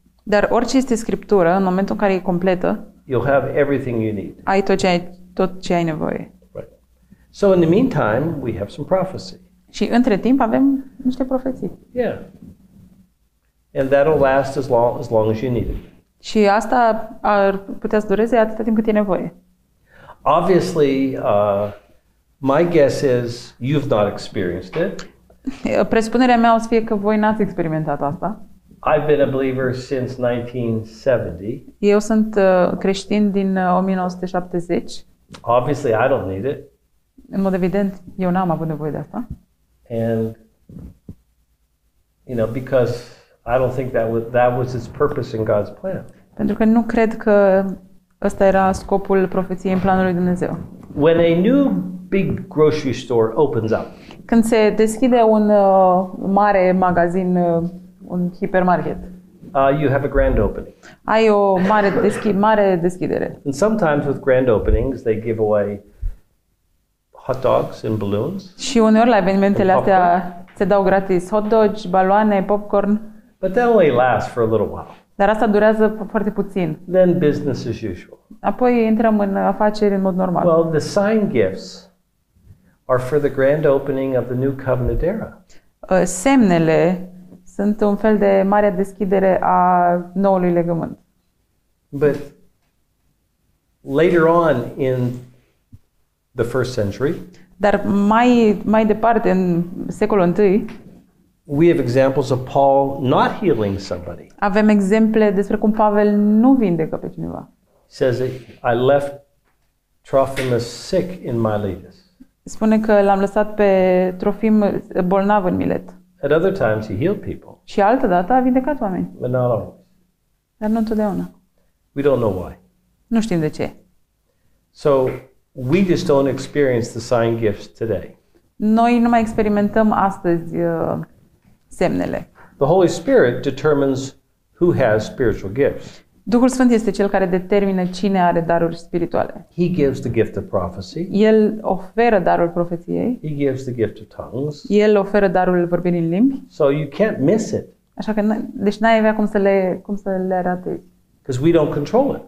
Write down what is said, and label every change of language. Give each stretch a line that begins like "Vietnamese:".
Romanian: Dar orice este scriptură în momentul în care e completă.
English: You'll have everything you need.
Romanian: Ai tot ce ai nevoie.
English: Right. So in the meantime, we have some prophecy.
Romanian: Și între timp avem niște profeții.
English: Yeah. And that'll last as long as you need it.
Romanian: Și asta ar putea să dureze atât timp cât e nevoie.
English: Obviously, my guess is you've not experienced it.
Romanian: Presupunerea mea o să fie că voi n-ați experimentat asta.
English: I've been a believer since 1970.
Romanian: Eu sunt creștin din 1970.
English: Obviously, I don't need it.
Romanian: În mod evident, eu n-am avut nevoie de asta.
English: And you know, because I don't think that was its purpose in God's plan.
Romanian: Pentru că nu cred că ăsta era scopul profeției în planul lui Dumnezeu.
English: When a new big grocery store opens up.
Romanian: Când se deschide un mare magazin, un hipermarket.
English: You have a grand opening.
Romanian: Ai o mare deschidere.
English: And sometimes with grand openings they give away hot dogs and balloons.
Romanian: Și uneori la evenimentele astea se dau gratis hot dogs, baloane, popcorn.
English: But that only lasts for a little while.
Romanian: Dar asta durează foarte puțin.
English: Then business as usual.
Romanian: Apoi intrăm în afaceri în mod normal.
English: Well, the sign gifts are for the grand opening of the new covenant era.
Romanian: Semnele sunt un fel de mare deschidere a noului legământ.
English: But later on in the first century.
Romanian: Dar mai departe în secolul I.
English: We have examples of Paul not healing somebody.
Romanian: Avem exemple despre cum Pavel nu vindecă pe cineva.
English: Says that I left Trophimus sick in Miletus.
Romanian: Spune că l-am lăsat pe Trofim bolnav în Milet.
English: At other times he healed people.
Romanian: Și altă dată a vindecat oameni.
English: But not always.
Romanian: Dar nu întotdeauna.
English: We don't know why.
Romanian: Nu știm de ce.
English: So we just don't experience the sign gifts today.
Romanian: Noi nu mai experimentăm astăzi semnele.
English: The Holy Spirit determines who has spiritual gifts.
Romanian: Duhul Sfânt este cel care determină cine are daruri spirituale.
English: He gives the gift of prophecy.
Romanian: El oferă darul profeției.
English: He gives the gift of tongues.
Romanian: El oferă darul vorbirii în limbi.
English: So you can't miss it.
Romanian: Așa că deci n-ai avea cum să le ratezi.
English: Because we don't control it.